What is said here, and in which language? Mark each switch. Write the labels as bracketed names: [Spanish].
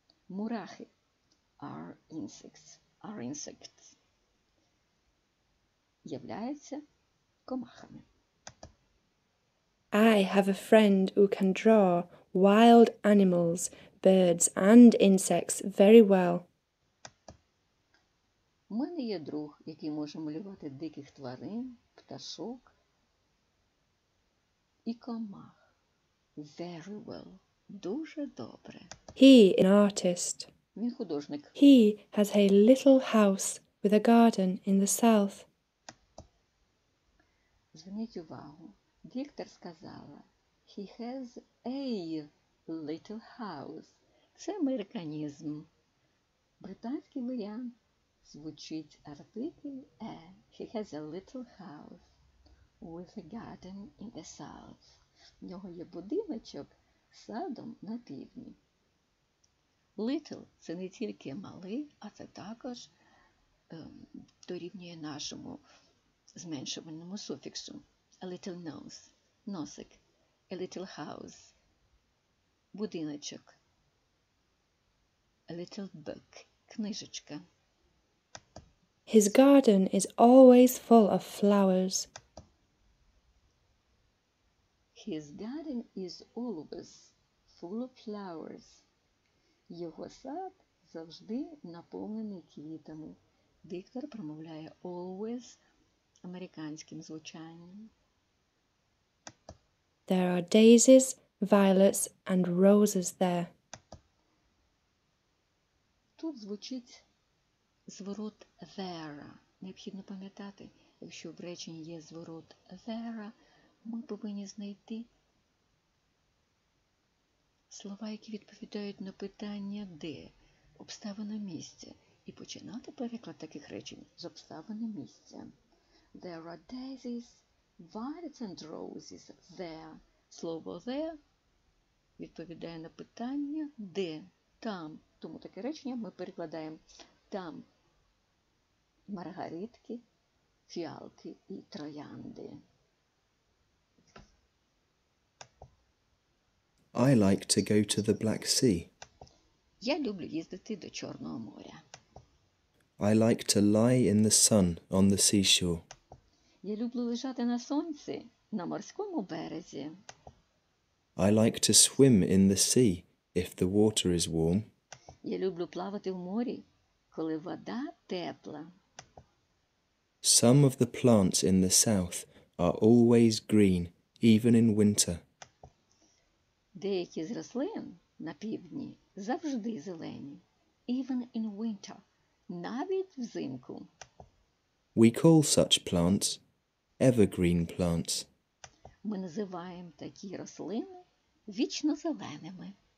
[English] Мурахи are insects, are insects. [Ukrainian] Являються комахами. [English] I have a friend who can draw wild animals, birds and insects very well. [Ukrainian] У мене є друг, який може малювати диких тварин, пташок і комах. [English] Very well. [Ukrainian] Дуже добре. [English] He is an artist. [Ukrainian] Він художник. [English] He has a little house with a garden in the south. [Ukrainian] Зверніть увагу. Віктор сказала, [English] he has a little house. [Ukrainian] Це американізм. Британський варіант звучить артикль a. [English] He has a little house with a garden in the south. [Ukrainian] В нього є будиночок з садом на півдні. Little – це не тільки малий, а це також дорівнює нашому зменшувальному суфіксу. [English] A little nose. [Ukrainian] Носик. [English] A little house. [Ukrainian] Будиночок. [English] A little book. [Ukrainian] Книжечка. [English] His garden is always full of flowers. His garden is always full of flowers. [Ukrainian] Його сад завжди наповнений квітами. Віктор промовляє always американським звучанням. [English] There are daisies, violets, and roses there. [Ukrainian] Тут звучить зворот there. Необхідно пам'ятати, якщо в реченні є зворот there, ми повинні знайти слова, які відповідають на питання де, обставина місця, і починати переклад таких речень з обставини місця. [English] There are daisies, violets and roses there. [Ukrainian] Слово there відповідає на питання де, там. Тому таке речення ми перекладаємо там маргаритки, фіалки і троянди. [English] I like to go to the Black Sea. [Ukrainian] Я люблю їздити до Чорного моря. [English] I like to lie in the sun on the seashore. [Ukrainian] Я люблю лежати на сонці на морському березі. [English] I like to swim in the sea if the water is warm. [Ukrainian] Я люблю плавати в морі, коли вода тепла. [English] Some of the plants in the south are always green, even in winter. [Ukrainian] Деякі з рослин на півдні завжди зелені, [English] even in winter, [Ukrainian] навіть взимку. [English] We call such plants evergreen plants. [Ukrainian] Ми називаємо такі рослини вічно зеленими.